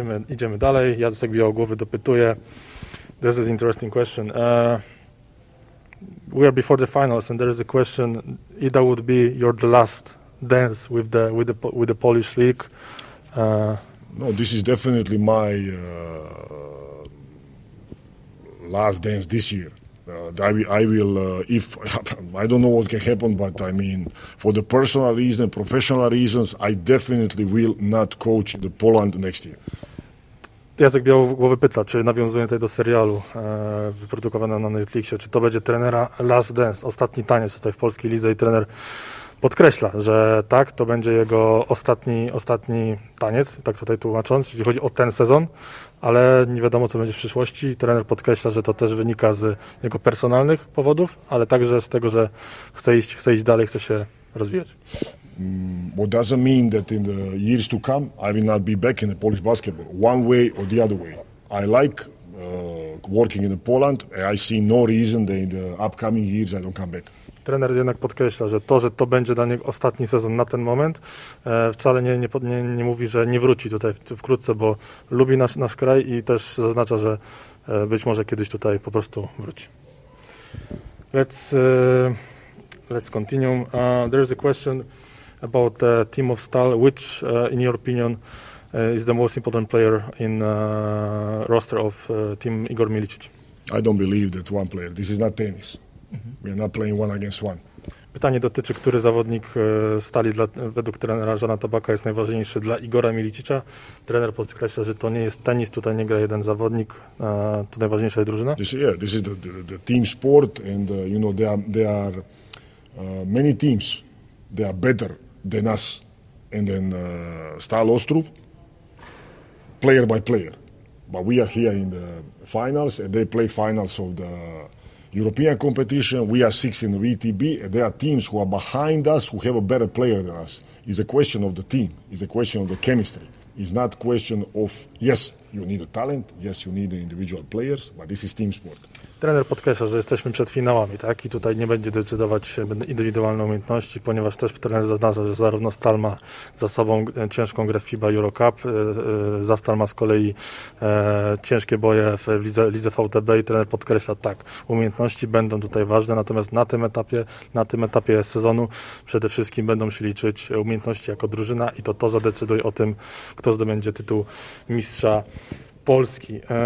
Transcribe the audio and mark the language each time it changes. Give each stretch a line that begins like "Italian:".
Polish: Idziemy dalej. Jacek Białogłowy dopytuje.
English: This is an interesting question. We are before the finals, and there is a question: Ida would be your last dance with the Polish league? No, this is definitely my last dance this year. I will, if I don't know what can happen, but I mean, for the personal reason, professional reasons, I definitely will not coach the Poland next year.
Polish: Jacek Białogłowy pyta, czy nawiązuje tutaj do serialu wyprodukowanego na Netflixie, czy to będzie trenera Last Dance, ostatni taniec tutaj w polskiej lidze i trener podkreśla, że tak, to będzie jego ostatni taniec, tak tutaj tłumacząc, jeśli chodzi o ten sezon, ale nie wiadomo, co będzie w przyszłości. Trener podkreśla, że to też wynika z jego personalnych powodów, ale także z tego, że chce iść dalej, chce się rozwijać.
English: What doesn't mean that in the years to come I will not be back in the Polish basketball, one way or the other way. I like working in Poland. I see no reason that in the upcoming years I don't come back.
Polish: Trener jednak podkreśla, że to będzie dla niego ostatni sezon na ten moment. Wcale nie mówi, że nie wróci tutaj wkrótce, bo lubi nasz kraj i też zaznacza, że być może kiedyś tutaj po prostu wróci.
English: Let's continue. There is a question about the team of Stal, which in your opinion is the most important player in roster of team Igor Miličić? I don't believe that one player. This is not tennis. Mm-hmm. We are not playing one against one.
Polish: Pytanie dotyczy, który zawodnik Stali według trenera Jana Tabaka jest najważniejszy dla Igora Miličića. Trener podkreśla, że to nie jest tenis, tutaj nie gra jeden zawodnik, to najważniejsza jest drużyna.
English: This is the team sport and you know there are many teams. They are better than us, and then Stal Ostrów, player by player. But we are here in the finals, and they play finals of the European competition. We are six in the VTB, and there are teams who are behind us who have a better player than us. It's a question of the team. It's a question of the chemistry. It's not a question of, yes, you need a talent, yes, you need individual players, but this is team sport.
Polish: Trener podkreśla, że jesteśmy przed finałami, tak? I tutaj nie będzie decydować indywidualne umiejętności, ponieważ też trener zaznacza, że zarówno Stal ma za sobą ciężką grę w FIBA Euro Cup, za Stal ma z kolei ciężkie boje w lidze VTB i trener podkreśla, tak, umiejętności będą tutaj ważne, natomiast na tym etapie sezonu przede wszystkim będą się liczyć umiejętności jako drużyna i to zadecyduje o tym, kto zdobędzie tytuł mistrza Polski.